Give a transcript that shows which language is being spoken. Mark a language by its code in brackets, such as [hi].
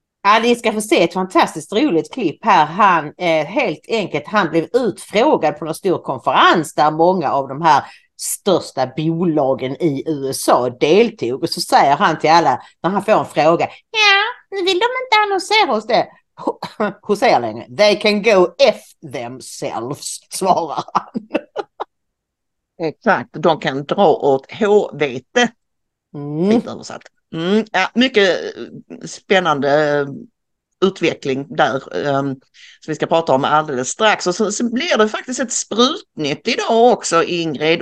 [sv] Ja, ni ska få se ett fantastiskt roligt klipp här. Han helt enkelt, han blev utfrågad på en stor konferens där många av de här största bolagen i USA deltog. Och så säger han till alla, när han får en fråga, ja, vill de inte annonsera hos det? Hur säger han? [en] They can go F themselves, [sv] svarar han. Exakt, de kan dra åt H-vete. Lite översatt. Ja, mycket spännande utveckling där som vi ska prata om alldeles strax. Och så blir det faktiskt ett sprutnytt idag också, Ingrid.